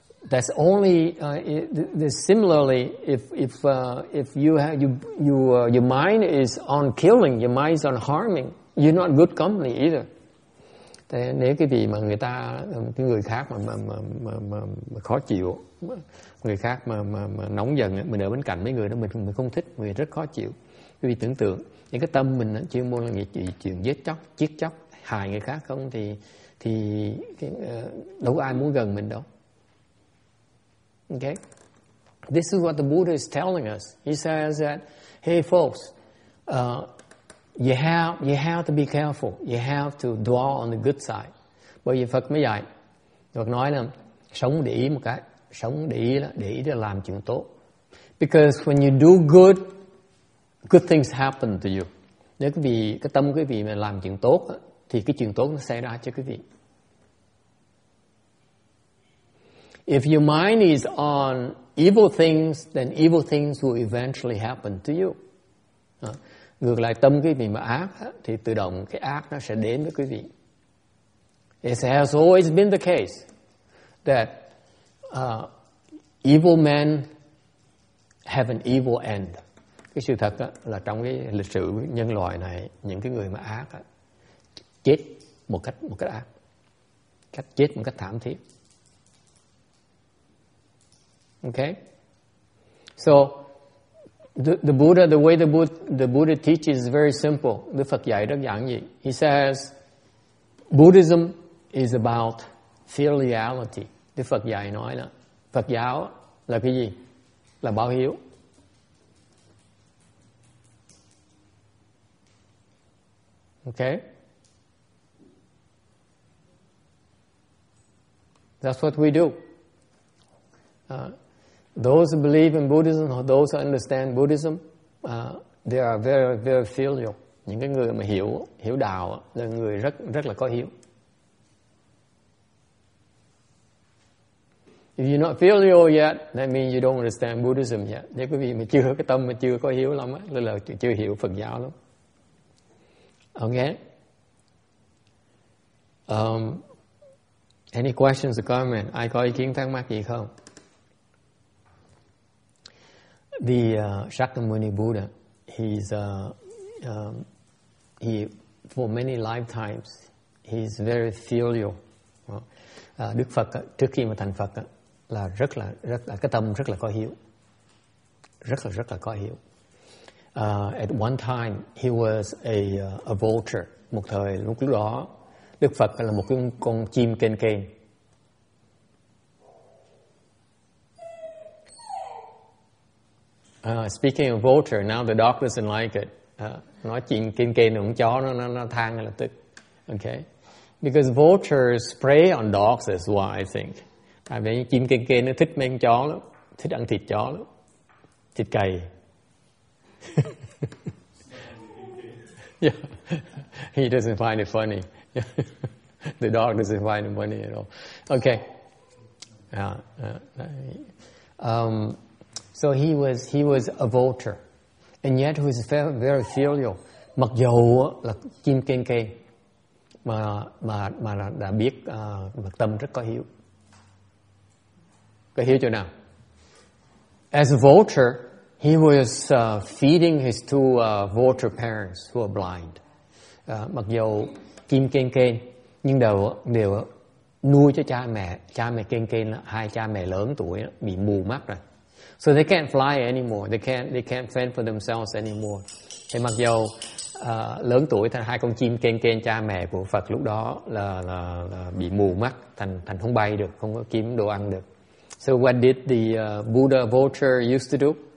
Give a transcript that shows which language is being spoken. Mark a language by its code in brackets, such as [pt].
[en] That's only similarly if your mind is on killing, your mind is on harming, you're not good company either. [vi] Thế nếu cái gì mà người ta cái người khác mà khó chịu, người khác mà nóng giận, mình ở bên cạnh mấy người đó mình không thích, người rất khó chịu. Quý vị tưởng tượng những cái tâm mình chuyên môn là chuyện giết chóc, chiết chóc, hại người khác không thì đâu có ai muốn gần mình đâu. [en] Okay, this is what the Buddha is telling us. He says that, hey folks, you have to be careful. You have to dwell on the good side. [vi] Bởi vì Phật mới dạy, Phật nói là sống để ý một cái, sống để ý là làm chuyện tốt. [en] Because when you do good, good things happen to you. [vi] Nếu quý vị, cái tâm quý vị mà làm chuyện tốt, thì cái chuyện tốt nó xảy ra cho quý vị. [en] If your mind is on evil things, then evil things will eventually happen to you. [vi] Ngược lại tâm quý vị mà ác, thì tự động cái ác nó sẽ đến với quý vị. [en] It has always been the case that evil men have an evil end. [vi] Cái sự thật là trong cái lịch sử nhân loại này, những cái người mà ác chết một cách ác, cách chết một cách thảm thiết. [en] Okay, so the Buddha, the way the Buddha teaches is very simple. The [vi] Phật dạy rất giản dị. [en] He says Buddhism is about filiality. [vi] The Phật dạy nói là Phật giáo là cái gì? Là báo hiếu. [en] Okay. That's what we do. Those who believe in Buddhism or those who understand Buddhism, they are very very filial. [vi] Những cái người mà hiểu đạo là người rất rất là có hiếu. [en] If you're not filial yet, that means you don't understand Buddhism yet. [vi] Nếu quý vị mà chưa cái tâm mà chưa có hiếu lắm á, là chưa hiểu Phật giáo lắm. Okay. [en] Any questions or comments? [vi] Ai có ý kiến thắc mắc gì không? [en] The Shakyamuni Buddha, he for many lifetimes he's very filial. [vi] Đức Phật trước khi mà thành Phật là rất là cái tâm rất là có hiếu, rất là có hiếu. [en] At one time he was a vulture. [vi] Một thời lúc đó Đức Phật là một con chim kênh kênh. [en] Speaking of vulture, now the dog doesn't like it. [vi] Nói chuyện kên kên của chó nó than là tức. [en] Okay, because vultures prey on dogs is why I think. [vi] Tại vì chim kên kên nó thích mấy chó lắm, thích ăn thịt chó lắm, thịt cầy. [en] Yeah, he doesn't find it funny. The dog doesn't find it funny at all. Okay. So he was a vulture, and yet he was very filial. [vi] Mặc dù là chim kênh kênh, mà đã biết mặt tâm rất có hiếu. Có hiếu chỗ nào? [en] As a vulture, he was feeding his two vulture parents who are blind. [vi] Mặc dù chim kênh kênh, nhưng đều nuôi cho cha mẹ kênh kênh đó, hai cha mẹ lớn tuổi đó, bị mù mắt rồi. [en] So they can't fly anymore, they can't fend for themselves anymore. [vi] Thì mặc dù lớn tuổi thành hai con chim kênh kênh cha mẹ của Phật lúc đó là bị mù mắt, thành không bay được, không có kiếm đồ ăn được. [en] So what did the Buddha vulture used to do?